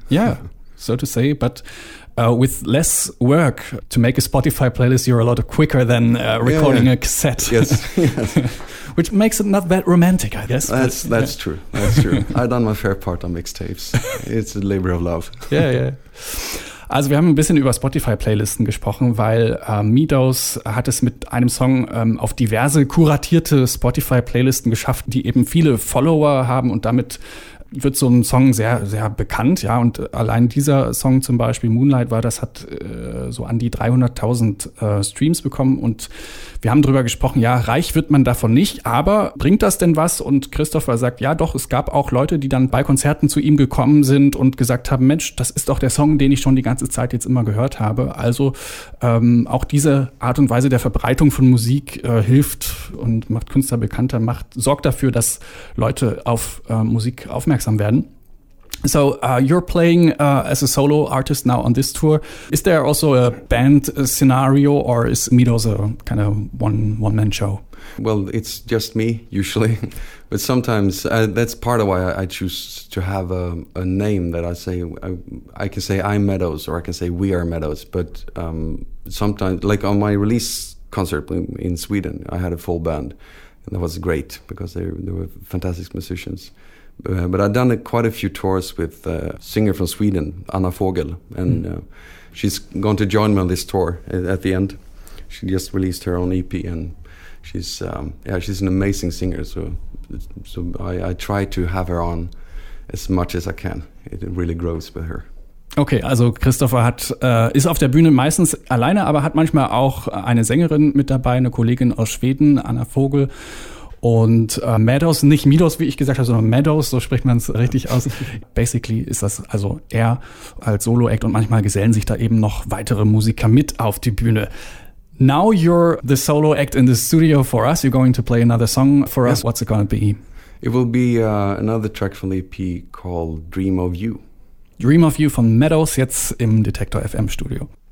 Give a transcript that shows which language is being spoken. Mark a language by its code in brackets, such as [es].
[en] Yeah. So to say, but with less work to make a Spotify playlist, you're a lot quicker than recording a cassette. Yes. Which makes it not that romantic, I guess. That's true. That's true. I've done my fair part on mixtapes. It's a labor of love. Yeah. [de] Also wir haben ein bisschen über Spotify-Playlisten gesprochen, weil Meadows hat es mit einem Song auf diverse kuratierte Spotify-Playlisten geschafft, die eben viele Follower haben und damit wird so ein Song sehr, sehr bekannt, ja. Und allein dieser Song zum Beispiel, Moonlight, hat so an die 300.000 Streams bekommen. Und wir haben drüber gesprochen, ja, reich wird man davon nicht, aber bringt das denn was? Und Christopher sagt, ja doch, es gab auch Leute, die dann bei Konzerten zu ihm gekommen sind und gesagt haben, Mensch, das ist doch der Song, den ich schon die ganze Zeit jetzt immer gehört habe. Also auch diese Art und Weise der Verbreitung von Musik hilft und macht Künstler bekannter, sorgt dafür, dass Leute auf Musik aufmerksam werden. [en] So you're playing as a solo artist now on this tour. Is there also a band scenario, or is Meadows a kind of one-man show? Well, it's just me usually, but sometimes that's part of why I choose to have a name that I say. I can say I'm Meadows, or I can say we are Meadows. But sometimes, like on my release concert in Sweden, I had a full band, and that was great because they were fantastic musicians. But I've done quite a few tours with a singer from Sweden, Anna Fogel, and she's going to join me on this tour at the end. She just released her own EP, and she's an amazing singer. So I try to have her on as much as I can. It really grows with her. [de] Okay, also Christopher ist auf der Bühne meistens alleine, aber hat manchmal auch eine Sängerin mit dabei, eine Kollegin aus Schweden, Anna Fogel. Und Meadows, nicht Meadows, wie ich gesagt habe, sondern Meadows, so spricht man es richtig aus. Basically ist das also er als Solo-Act und manchmal gesellen sich da eben noch weitere Musiker mit auf die Bühne. [en] Now you're the solo act in the studio for us. You're going to play another song for us. What's it going to be? It will be another track from the EP called Dream of You. [de] Dream of You von Meadows, jetzt im Detektor FM Studio.